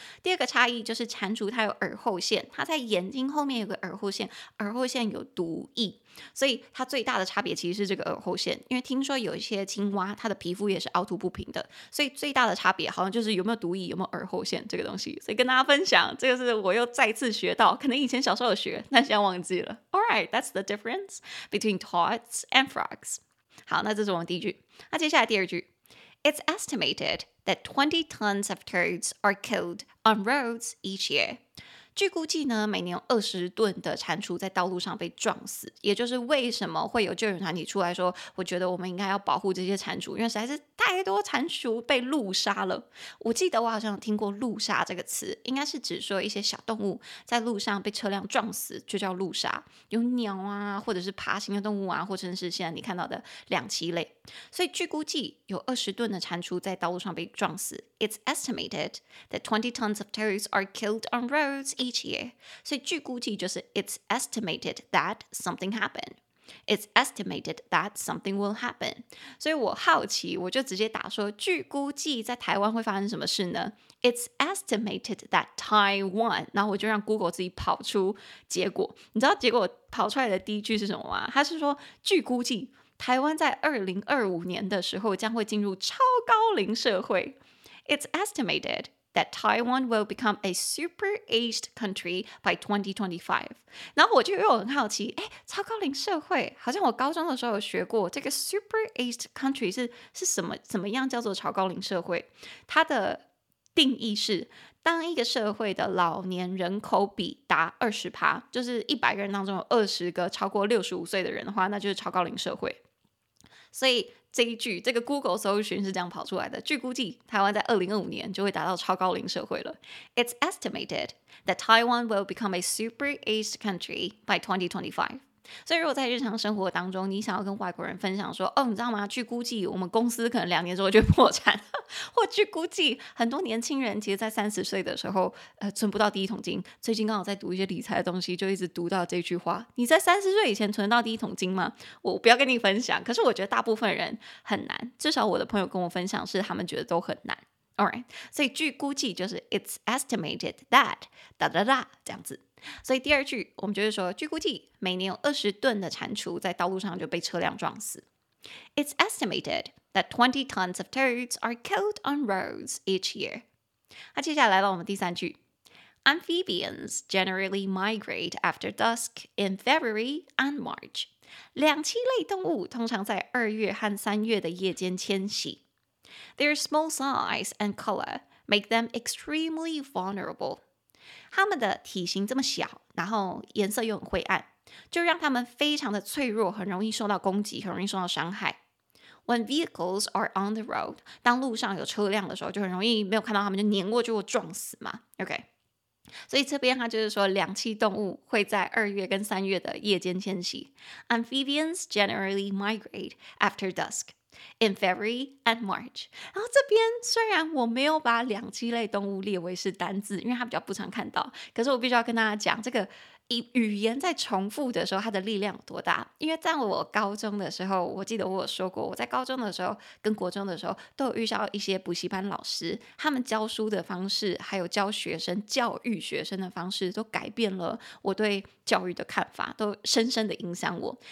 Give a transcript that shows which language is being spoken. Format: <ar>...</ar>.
<zh>第二个差异就是蟾蜍它有耳后腺，它在眼睛后面有个耳后腺，耳后腺有毒液，所以它最大的差别其实是这个耳后腺。因为听说有一些青蛙它的皮肤也是凹凸不平的，所以最大的差别好像就是有没有毒液，有没有耳后腺这个东西。所以跟大家分享，这个是我又再次学到，可能以前小时候有学但现在忘记了。</zh> <en>Alright, that's the difference between toads and frogs.</en> <zh>好，那这是我们第一句。那接下来第二句，</zh> <en>It's estimated that 20 tons of toads are killed on roads each year.</en> <zh>据估计呢，每年有20吨的蟾蜍在道路上被撞死，也就是为什么会有救援团体出来说，我觉得我们应该要保护这些蟾蜍，因为实在是太多蟾蜍被路杀了。我记得我好像听过路杀这个词，应该是指说一些小动物在路上被车辆撞死就叫路杀，有鸟啊，或者是爬行的动物啊，或者是现在你看到的两栖类。所以据估计有20吨的蟾蜍在道路上被撞死。</zh> <en>It's estimated that 20 tons of toads are killed on roads each year.</en> <zh>所以据估计就是</zh> <en>It's estimated that something happened. It's estimated that something will happen.</en> <zh>所以我好奇，我就直接打说据估计在台湾会发生什么事呢？</zh> <en>It's estimated that Taiwan.</en> <zh>然后我就让 Google 自己跑出结果。你知道结果跑出来的第一句是什么吗？它是说据估计台湾在2025年的时候将会进入超高龄社会。</zh> <en>It's estimated that Taiwan will become a super aged country by 2025.</en> <zh>然后我就又很好奇，诶，超高龄社会，好像我高中的时候有学过这个</zh> <en>super aged country</en> <zh>是怎么样叫做超高龄社会。它的定义是，当一个社会的老年人口比达 20%， 就是100个人当中有20个超过65岁的人的话，那就是超高龄社会。所以这一句这个 Google 搜寻是这样跑出来的，据估计台湾在2025年就会达到超高龄社会了。</zh> <en>It's estimated that Taiwan will become a super aged country by 2025。</en> <zh>所以如果在日常生活当中你想要跟外国人分享说，哦，你知道吗，据估计我们公司可能两年之后就会破产，或据估计很多年轻人其实在30岁的时候存不到第一桶金，最近刚好在读一些理财的东西，就一直读到这句话，你在30岁以前存到第一桶金吗？我不要跟你分享，可是我觉得大部分人很难，至少我的朋友跟我分享是他们觉得都很难。 Alright， 所以据估计就是</zh> <en>It's estimated that</en> <zh>哒哒哒这样子。所以第二句我们就是说，据估计每年有20吨的蟾蜍在道路上就被车辆撞死。</zh> <en>It's estimated that 20 tons of toads are killed on roads each year。</en> <zh>那接下来到我们第三句，</zh> <en>Amphibians generally migrate after dusk in February and March。</en> <zh>两栖类动物通常在二月和三月的夜间迁徙。</zh> <en>Their small size and color make them extremely vulnerable。</en> <zh>他们的体型这么小，然后颜色又很灰暗，就让他们非常的脆弱，很容易受到攻击，很容易受到伤害。</zh> <en>When vehicles are on the road，</en> <zh>当路上有车辆的时候，就很容易没有看到他们就碾过去或撞死嘛。 OK， 所以这边他就是说两栖动物会在二月跟三月的夜间迁徙。</zh> <en>Amphibians generally migrate after duskIn February and March。</en> <zh>然后这边虽然我没有把两栖类动物列为是单字，因为它比较不常看到，可是我必须要跟大家讲这个语言在重复的时候它的力量有多大。因为在我高中的时候，我记得我有说过，我在高中的时候跟国中的时候都有遇到一些补习班老师，他们教书的方式还有教学生教育学生的方式都改变了我对教育的看法，都深深的影响我。</zh>